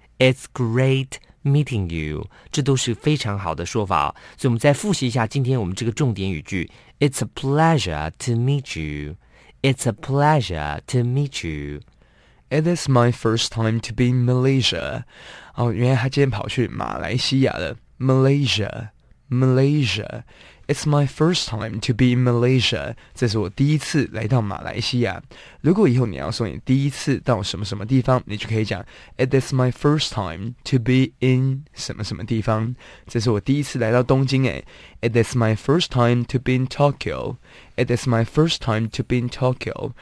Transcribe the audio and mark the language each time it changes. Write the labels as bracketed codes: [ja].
[en] It's great meeting you. [zh] 这都是非常好的说法。所以我们再复习一下今天我们这个重点语句。 [en] It's a pleasure to meet you. It's a pleasure to meet you. It is my first time to be in Malaysia. [zh] 哦，原来他今天跑去马来西亚了。 [en] Malaysia, Malaysia. It's my first time to be in Malaysia. [zh] 这是我第一次来到马来西亚。如果以后你要说你第一次到什么什么地方，你就可以讲 [en] It is my first time to be in [zh] 什么什么地方。这是我第一次来到东京诶。 [en] It is my first time to be in Tokyo. It is my first time to be in Tokyo.